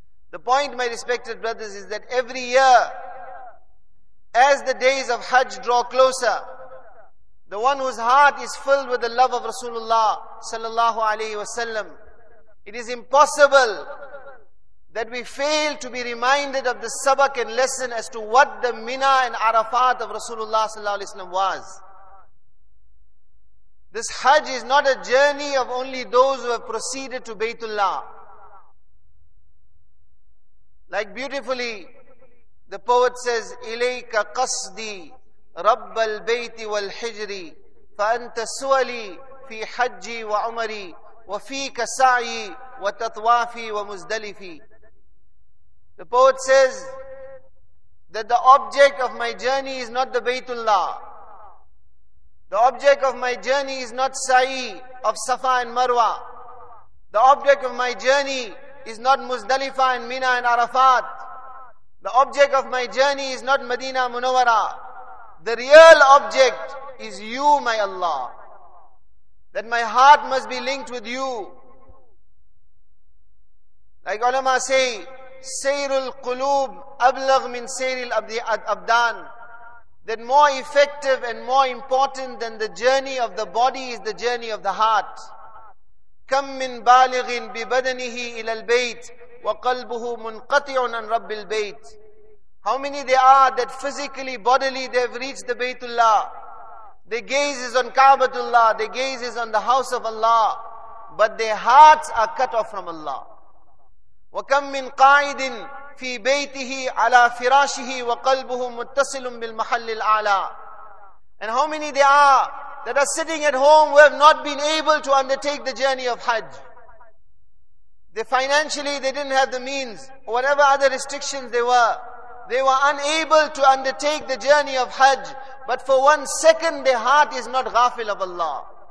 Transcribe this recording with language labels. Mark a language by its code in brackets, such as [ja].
[en] The point, my respected brothers, is that every year, as the days of Hajj draw closer, the one whose heart is filled with the love of Rasulullah sallallahu alayhi wasallam, it is impossible that we fail to be reminded of the sabak and lesson as to what the Mina and Arafat of Rasulullah sallallahu alayhi wasallam was. This Hajj is not a journey of only those who have proceeded to Baytullah. Like beautifully, the poet says, [ar] إِلَيْكَ قَصْدِي رَبَّ الْبَيْتِ وَالْحِجْرِ فَأَنْتَ سُوَلِي فِي حَجِّي وَعُمَرِي وَفِيكَ سَعِي وَتَطْوَافِي وَمُزْدَلِفِي. [en] The poet says that the object of my journey is not the Baytullah. The object of my journey is not Sa'i of Safa and Marwa. The object of my journey is not Muzdalifa and Mina and Arafat. The object of my journey is not Medina Munawara. The real object is you, my Allah. That my heart must be linked with you. Like ulama say, [ar] Sayrul Qulub Ablagh min Sayril Abdan. [en] That more effective and more important than the journey of the body is the journey of the heart. [ar] كم من بالغ ببدنه إلى البيت وقلبه منقطع عن رب البيت. [en] How many there are that physically, bodily, they have reached the Baytullah. Their gaze is on Kaabatullah, their gaze is on the house of Allah, but their hearts are cut off from Allah. [ar] وكم من قاعد في بيته على فراشه وقلبه متصل بالمحل الأعلى. [en] And how many there are that are sitting at home who have not been able to undertake the journey of Hajj. They financially, they didn't have the means, whatever other restrictions they were unable to undertake the journey of Hajj. But for one second, their heart is not ghafil of Allah.